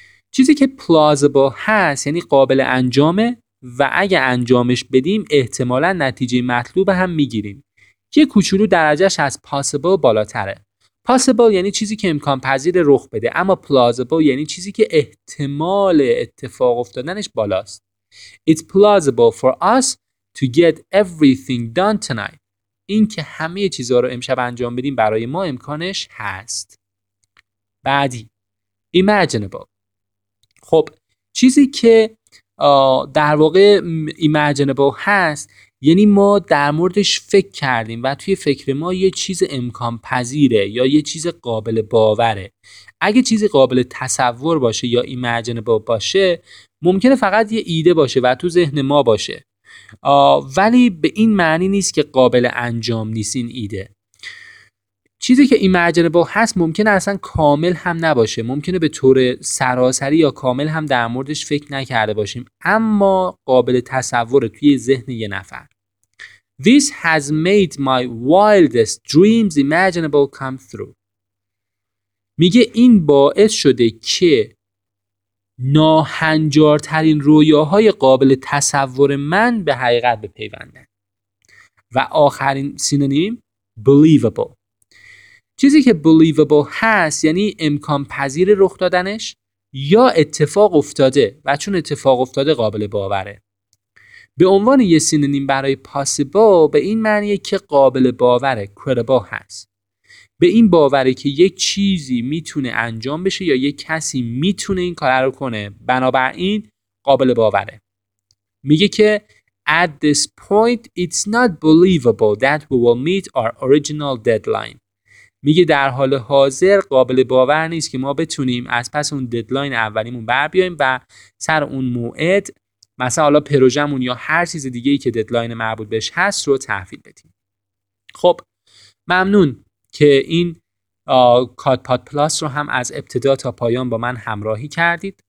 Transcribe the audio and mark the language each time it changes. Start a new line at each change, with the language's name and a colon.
Persian: چیزی که plausible هست یعنی قابل انجامه و اگه انجامش بدیم احتمالاً نتیجه مطلوب هم میگیریم. یه کوچولو درجهش از possible بالاتره. Possible یعنی چیزی که امکان پذیر رخ بده، اما plausible یعنی چیزی که احتمال اتفاق افتادنش بالاست.
English: It's plausible for us to get everything done tonight.
Persian: این که همه چیزها رو امشب انجام بدیم برای ما امکانش هست. بعدی imaginable. خب چیزی که در واقع imaginable هست یعنی ما در موردش فکر کردیم و توی فکر ما یه چیز امکان پذیره یا یه چیز قابل باوره. اگه چیزی قابل تصور باشه یا imaginable باشه ممکنه فقط یه ایده باشه و تو ذهن ما باشه، ولی به این معنی نیست که قابل انجام نیست این ایده. چیزی که imaginable هست ممکنه اصلا کامل هم نباشه، ممکنه به طور سراسری یا کامل هم در موردش فکر نکرده باشیم، اما قابل تصور توی ذهن یه نفر.
English: This has made my wildest dreams imaginable come through.
Persian: میگه این باعث شده که ناهنجارترین رویاهای قابل تصور من به حقیقت بپیونده. و آخرین سینونیم believable. چیزی که believable هست یعنی امکان پذیر رخ دادنش یا اتفاق افتاده و چون اتفاق افتاده قابل باوره. به عنوان یه سینونیم برای possible به این معنیه که قابل باوره، credible هست. به این باوره که یک چیزی میتونه انجام بشه یا یک کسی میتونه این کار رو کنه، بنابراین قابل باوره. میگه که
English: at this point it's not believable that we will meet our original deadline.
Persian: میگه در حال حاضر قابل باور نیست که ما بتونیم از پس اون ددلاین اولیمون بر بیاییم و سر اون موعد مثلا حالا پروژمون یا هر چیز دیگه‌ای که ددلاین مربوط بهش هست رو تحویل بدیم. خب ممنون که این کادپاد پلاس رو هم از ابتدا تا پایان با من همراهی کردید.